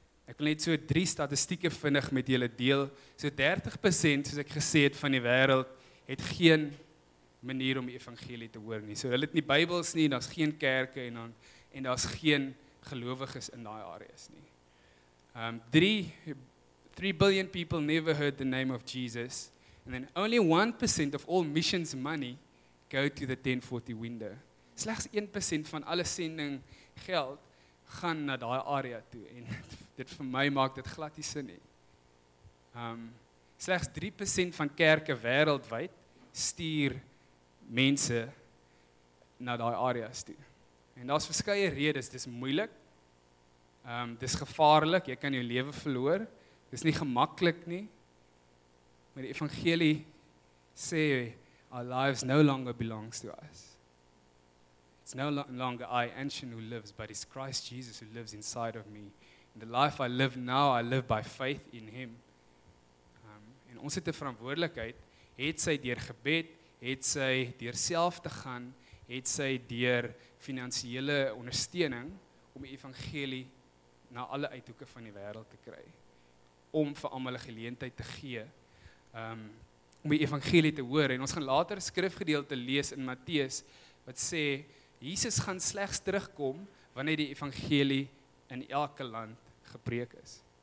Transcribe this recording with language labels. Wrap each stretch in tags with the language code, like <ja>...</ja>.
<af>Ek wil net so 3 statistieke vinnig met julle deel. So 30%, soos ek gesê het, van die wêreld, het geen manier om die evangelie te hoor nie. So hulle het nie Bybels nie, daar is geen kerke en daar is geen gelowiges in daai areas nie.</af> <en>3 billion people never heard the name of Jesus, and then only 1% of all missions money go to the 1040 window.</en> <af>Slegs 1% van alle sending geld gaan na daai area toe en dit vir my maak dit glad nie sin nie. Slegs 3% van kerke wêreldwyd stuur mense na daai areas toe. En daar's verskeie redes, dis moeilik. Dis gevaarlik, jy kan jou lewe verloor. Dis nie gemaklik nie. Maar die evangelie sê</af> <en>our lives no longer belongs to us. It's no longer I, Anshin, who lives, but it's Christ Jesus who lives inside of me. And the life I live now, I live by faith in him.</en> <af>En ons het 'n verantwoordelikheid, het sy deur gebed, het sy deur self te gaan, het sy deur finansiële ondersteuning om die evangelie na alle uithoeke van die wêreld te kry, om vir almal 'n geleentheid te gee, om die evangelie te hoor. En ons gaan later skrifgedeelte lees in Matteus, wat sê, Jesus gaan slegs terugkom, wanneer die evangelie in elke land gepreek is.</af>